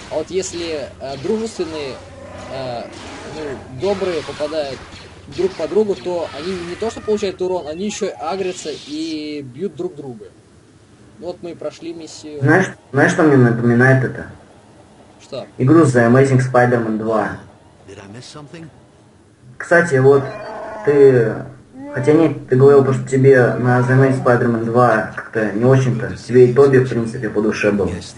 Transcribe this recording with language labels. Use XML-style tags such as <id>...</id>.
<ru>А вот если дружественные, ну, добрые попадают друг по другу, то они не то что получают урон, они еще агрятся и бьют друг друга. Вот мы и прошли миссию. Знаешь, что мне напоминает это? Что? Игру The Amazing Spider-Man 2.</ru> <en>Did I miss something?</en> <ru>Кстати, вот ты... Хотя нет, ты говорил, что тебе на The Amazing Spider-Man 2 как-то не очень-то. Тебе и Тоби, в принципе, по душе был.</ru>